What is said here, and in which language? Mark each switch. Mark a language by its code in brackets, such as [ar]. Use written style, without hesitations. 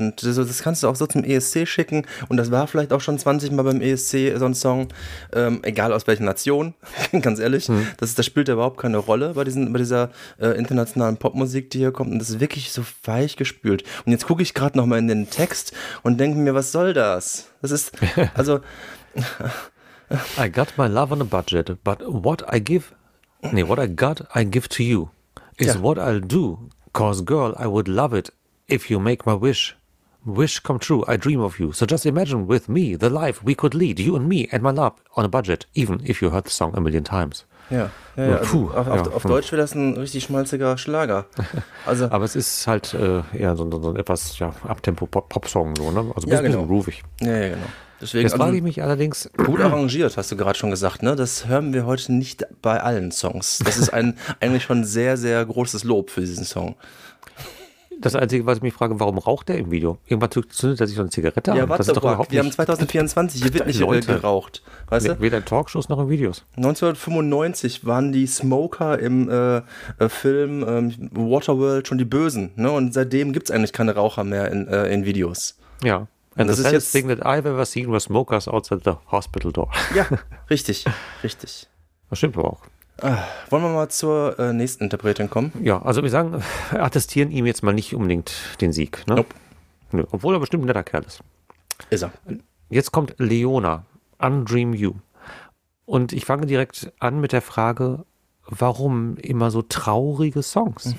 [de] Und das kannst du auch so zum ESC schicken. Und das war vielleicht auch schon 20 Mal beim ESC so ein Song. Egal aus welcher Nation, ganz ehrlich. Das spielt ja überhaupt keine Rolle bei dieser internationalen Popmusik, die hier kommt. Und das ist wirklich so weich gespült. Und jetzt gucke ich gerade nochmal in den Text und denke mir, was soll das? Das ist, also. [en] I got my love on a budget, but what I got, I give to you. [de] Is ja. [en] What I'll do, cause girl, I would love it if you make my wish come true. I dream of you. So just imagine with me the life we could lead, you and me and my love on a budget, even if you heard the song a million times. [de] Ja. Puh. Also, auf Deutsch wäre das ein richtig schmalziger Schlager. Also. Aber es ist halt eher so ein etwas Abtempo Pop-Song so, ne? Also ein bisschen groovig. Ja, genau. Deswegen, jetzt frage ich mich allerdings. Gut arrangiert, hast du gerade schon gesagt, ne? Das hören wir heute nicht bei allen Songs. Das ist eigentlich schon sehr, sehr großes Lob für diesen Song. Das Einzige, was ich mich frage, warum raucht der im Video? Irgendwann zündet er sich so eine Zigarette an. Ja, warte, das ist doch überhaupt nicht. Wir haben 2024, hier wird nicht Leute geraucht. Weißt du? Weder in Talkshows noch in Videos. 1995 waren die Smoker im Film Waterworld schon die Bösen, ne? Und seitdem gibt es eigentlich keine Raucher mehr in Videos. Ja. [en] And das the saddest thing that I've ever seen was smokers outside the hospital door. [de] Ja, richtig, richtig. Das stimmt aber auch. Wollen wir mal zur nächsten Interpretin kommen? Ja, also wir sagen, attestieren ihm jetzt mal nicht unbedingt den Sieg. Ne? Nope. Obwohl er bestimmt ein netter Kerl ist. Ist er. Jetzt kommt Leona, Undream You. Und ich fange direkt an mit der Frage, warum immer so traurige Songs?